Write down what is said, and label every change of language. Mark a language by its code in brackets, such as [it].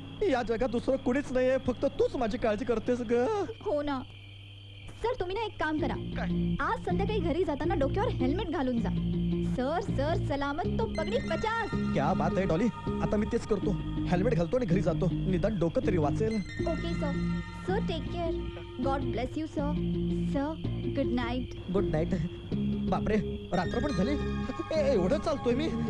[mr] या जगात दुसरं कुणीच नाहीये, फक्त तूच माझी काळजी करतेस ग. हो ना सर, तुम्ही ना एक काम करा, आज संध्याकाळी घरी जाताना डोक्यावर हेल्मेट घालून जा. [hi] सर सर सलामत तो पगडी 50. क्या बात [mr] आहे डॉली, आता मी तेच करतो, हेल्मेट घालतो आणि घरी जातो, निदान डोकं तरी वाचेल. [en] Okay sir, sir take care, God bless you sir. Sir good night. Good night. [mr] बापरे रात्र पण झाली, एवढं चालतोय मी.